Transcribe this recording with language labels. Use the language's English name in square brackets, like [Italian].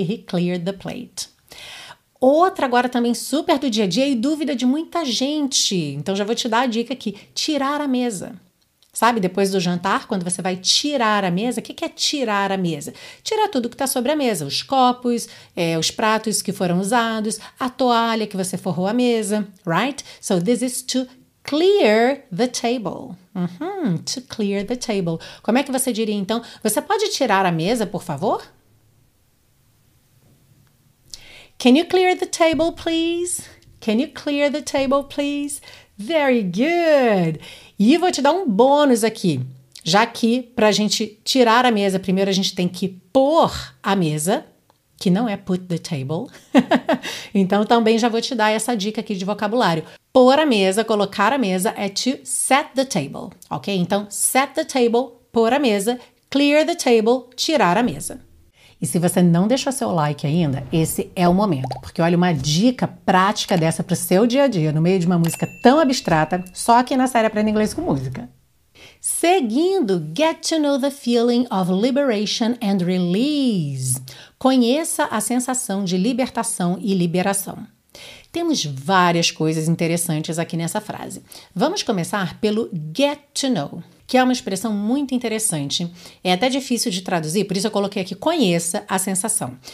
[English] He cleared the plate. [Portuguese] Outra agora também super do dia a dia e dúvida de muita gente. Então já vou te dar a dica aqui: tirar a mesa. Sabe, depois do jantar, quando você vai tirar a mesa, o que é tirar a mesa? Tirar tudo que está sobre a mesa, os copos, os pratos que foram usados, a toalha que você forrou a mesa, right? [English] So this is to clear the table. Uhum, to clear the table. [Portuguese] Como é que você diria então? Você pode tirar a mesa, por favor? [English] Can you clear the table, please? Can you clear the table, please? Very good! [Portuguese] E vou te dar um bônus aqui, já que para a gente tirar a mesa, primeiro a gente tem que pôr a mesa, que não é [English] put the table, [Portuguese] então também já vou te dar essa dica aqui de vocabulário. Pôr a mesa, colocar a mesa é [English] to set the table, [Portuguese] ok? Então [English] set the table, [Portuguese] pôr a mesa, [English] clear the table, [Portuguese] tirar a mesa. E se você não deixou seu like ainda, esse é o momento. Porque olha, uma dica prática dessa para o seu dia a dia, no meio de uma música tão abstrata, só aqui na série Aprenda Inglês com Música. [English] Seguindo, get to know the feeling of liberation and release. [Portuguese] Conheça a sensação de libertação e liberação. Temos várias coisas interessantes aqui nessa frase. Vamos começar pelo get to know, que é uma expressão muito interessante. É até difícil de traduzir, por isso eu coloquei aqui conheça a sensação.